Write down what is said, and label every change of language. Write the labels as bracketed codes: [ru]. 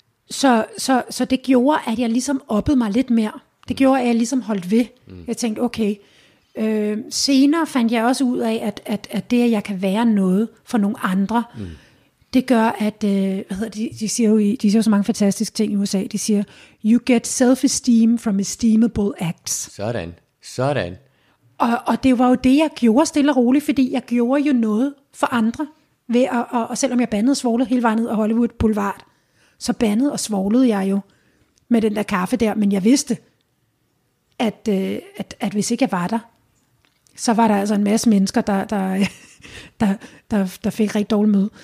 [da] Så det gjorde, at jeg ligesom oppede mig lidt mere. Det gjorde, at jeg ligesom holdt ved. Jeg tænkte, okay. Senere fandt jeg også ud af, at det, at jeg kan være noget for nogle andre, det gør, at de siger så mange fantastiske ting i USA. De siger, [en] you get self-esteem from esteemable acts. [da] Sådan. Og det var jo det, jeg gjorde stille og roligt, fordi jeg gjorde jo noget for andre. Og selvom jeg bandede og svoglede hele vejen ned af Hollywood Boulevard, så bandede og svoglede jeg jo med den der kaffe der. Men jeg vidste, at hvis ikke jeg var der, så var der altså en masse mennesker, der fik rigtig dårlig møde.